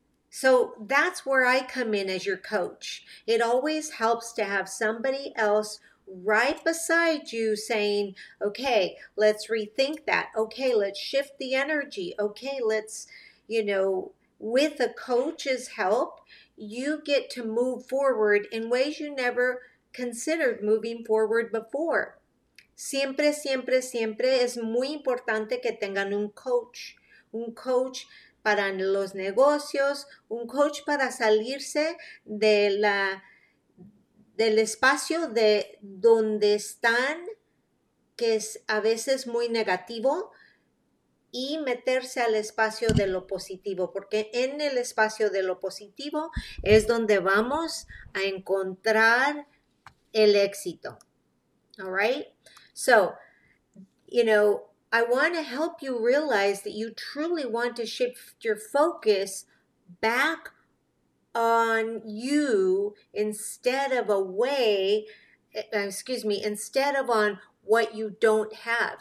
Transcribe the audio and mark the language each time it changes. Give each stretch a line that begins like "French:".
English: So that's where I come in as your coach. It always helps to have somebody else right beside you saying, okay, let's rethink that. Okay, let's shift the energy. Okay, let's, you know, with a coach's help, you get to move forward in ways you never considered moving forward before.
Spanish: Siempre, siempre, siempre es muy importante que tengan un coach para los negocios, un coach para salirse del espacio de donde están, que es a veces muy negativo, y meterse al espacio de lo positivo, porque en el espacio de lo positivo es donde vamos a encontrar el éxito.
English: All right? So, you know, I want to help you realize that you truly want to shift your focus back on you instead of on what you don't have.